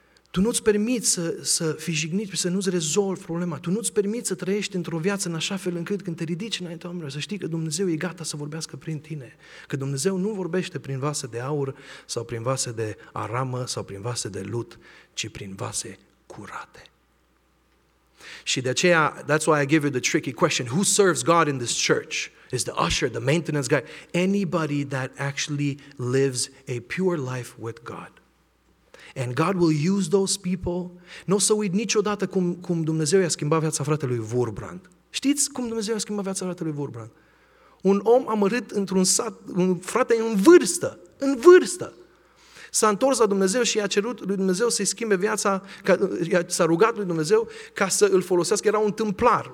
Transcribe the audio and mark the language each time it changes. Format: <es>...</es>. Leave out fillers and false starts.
<ro>Tu nu-ți permiți să fii jignit și să nu-ți rezolvi problema. Tu nu-ți permiți să trăiești într-o viață în așa fel încât când te ridici înaintea oamenilor să știi că Dumnezeu e gata să vorbească prin tine. Că Dumnezeu nu vorbește prin vase de aur sau prin vase de aramă sau prin vase de lut, ci prin vase curate. Și de aceea,</ro> <en>that's why I give you the tricky question. Who serves God in this church? Is the usher, the maintenance guy? Anybody that actually lives a pure life with God. And God will use those people.</en> <ro>N-o să uit niciodată cum Dumnezeu i-a schimbat viața fratelui Vorbrand. Știți cum Dumnezeu i-a schimbat viața fratelui Vorbrand? Un om amărât într-un sat, un frate în vârstă. S-a întors la Dumnezeu și i-a cerut lui Dumnezeu să-i schimbe viața, s-a rugat lui Dumnezeu ca să îl folosească, era un tâmplar.</ro>